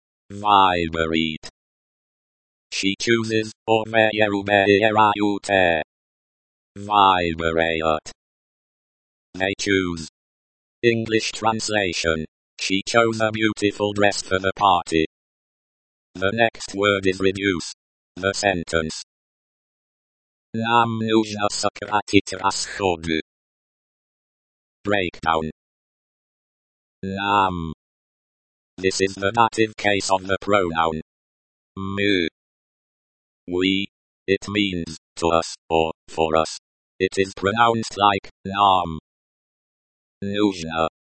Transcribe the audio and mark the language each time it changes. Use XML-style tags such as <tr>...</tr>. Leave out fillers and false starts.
<en>Vibrate. She chooses, or veyerubarate. Vibrate. They choose. English translation. She chose a beautiful dress for the party. The next word is reduce. The sentence.</en> <ru>Нам нужно сократить расходы.</ru> <en>Breakdown. Нам. This is the dative case of the pronoun. Мы. We. It means, to us, or, for us. It is pronounced like, нам. Нужно.</en>